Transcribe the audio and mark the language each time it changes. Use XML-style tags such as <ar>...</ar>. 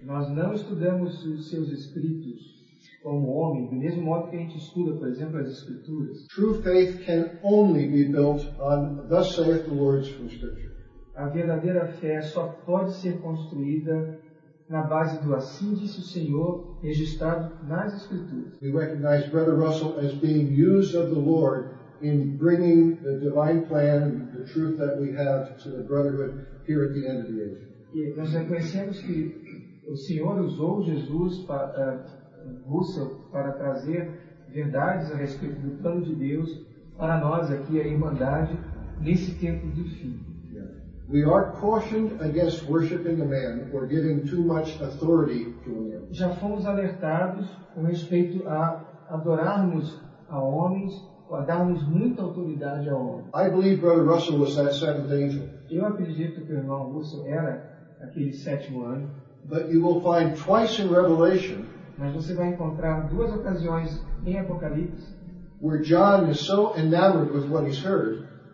<pt>Nós não estudamos os seus escritos como homem, do mesmo modo que a gente estuda, por exemplo, as escrituras.</pt> <en>True faith can only be built on thus saith the words from scripture.</en> <pt>A verdadeira fé só pode ser construída na base do assim disse o Senhor, registrado nas escrituras.</pt> <en>We recognize Brother Russell as being used of the Lord in bringing the divine plan, the truth that we have, to the brotherhood here at the end of the age.</en> <pt>E nós reconhecemos que o Senhor usou Jesus para Russell para trazer verdades a respeito do plano de Deus para nós aqui, a Irmandade, nesse tempo do fim.</pt> <en>We are cautioned against worshiping a man or giving too much authority to a man.</en> <pt>Já fomos alertados com respeito a adorarmos a homens. Muita autoridade ao homem.</pt> <en>I believe Brother Russell was that seventh angel.</en> <pt>Eu acredito que o irmão Russell era aquele sétimo anjo.</pt> <en>But you will find twice in Revelation.</en> <pt>Mas você vai encontrar duas ocasiões em Apocalipse.</pt> <en>Where John is so enamored with what he's heard.</en>